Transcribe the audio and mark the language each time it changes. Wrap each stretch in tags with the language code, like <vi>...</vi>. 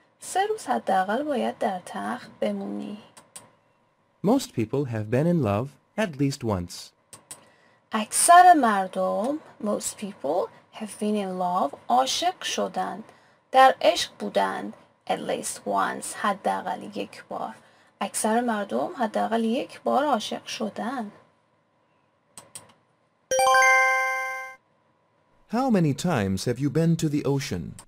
<fa>3 روز حداقل باید در تخت بمونی.</fa> <en>Most people have been in love at least once.</en> <fa>اکثر مردم,</fa> <en>most people have been in love,</en> <fa>عاشق شدند, در عشق بودند,</fa> <en>at least once,</en> <fa>حداقل یک بار. اکثر مردم حداقل یک بار عاشق شدند.</fa> <en>How many times have you been to the ocean?</en>